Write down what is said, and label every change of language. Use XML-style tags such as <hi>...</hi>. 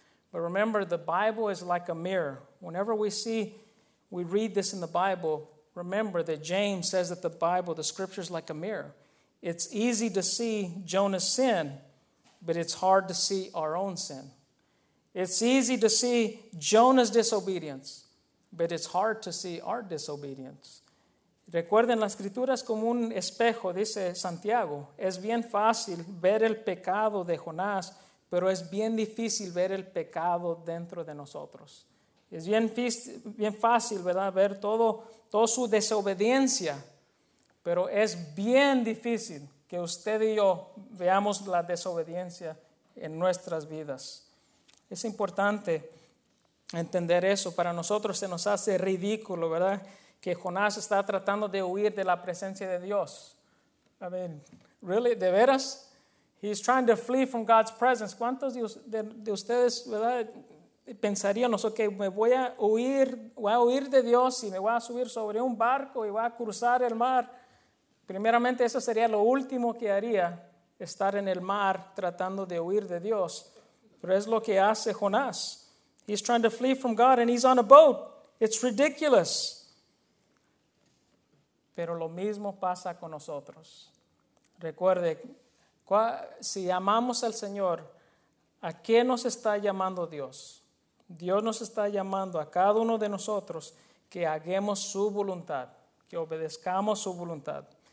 <en>But remember, the Bible is like a mirror. Whenever we read this in the Bible, remember that James says that the Bible, the scripture is like a mirror. It's easy to see Jonah's sin, but it's hard to see our own sin. It's easy to see Jonah's disobedience, but it's hard to see our disobedience.</en> <es>Recuerden, la escritura es como un espejo, dice Santiago. Es bien fácil ver el pecado de Jonás, pero es bien difícil ver el pecado dentro de nosotros. Es bien fácil, ¿verdad?, ver todo su desobediencia, pero es bien difícil que usted y yo veamos la desobediencia en nuestras vidas. Es importante entender eso. Para nosotros se nos hace ridículo, ¿verdad?, que Jonás está tratando de huir de la presencia de Dios.</es> <en>I mean, really,</en> <es>¿de veras?</es> <en>He's trying to flee from God's presence.</en> <es>¿Cuántos de ustedes, verdad, pensarían,</es> <en>okay,</en> <es>me voy a huir de Dios y me voy a subir sobre un barco y voy a cruzar el mar? Primeramente, eso sería lo último que haría, estar en el mar tratando de huir de Dios. Pero es lo que hace Jonás.</es> <en>He's trying to flee from God and he's on a boat. It's ridiculous.</en> <es>Pero lo mismo pasa con nosotros. Recuerde, si amamos al Señor, ¿a qué nos está llamando Dios? Dios nos está llamando a cada uno de nosotros que hagamos su voluntad, que obedezcamos su voluntad.</es>